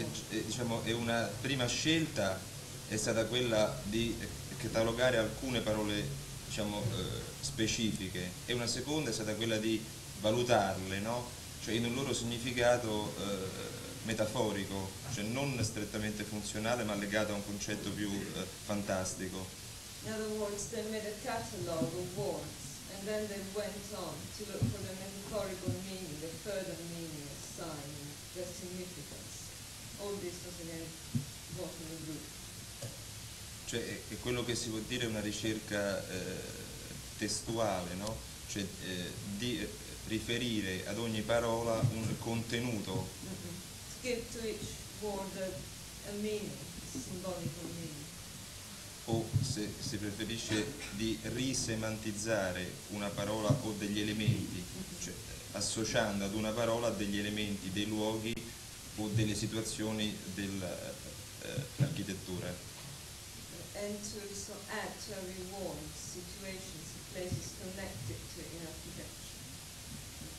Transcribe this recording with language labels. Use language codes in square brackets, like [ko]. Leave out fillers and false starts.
[it] Diciamo, è una prima scelta è stata quella di catalogare alcune parole, diciamo, specifiche, e una seconda è stata quella di valutarle, no? Cioè in un loro significato metaforico, cioè non strettamente funzionale, ma legato a un concetto più fantastico. [en] In other words, they made a catalogue of words and then they went on to look for the metaphorical meaning, the further meaning assigned, the significance. All this was again brought in the group. [it] Cioè è quello che si può dire una ricerca testuale, no? Cioè di riferire ad ogni parola un contenuto. [en] Give to each word a meaning, a symbolical meaning. [it] O se preferisce di risemantizzare una parola o degli elementi, cioè associando ad una parola degli elementi, dei luoghi o delle situazioni dell'architettura. [en] And to so add to every word situations and places connected to an architecture.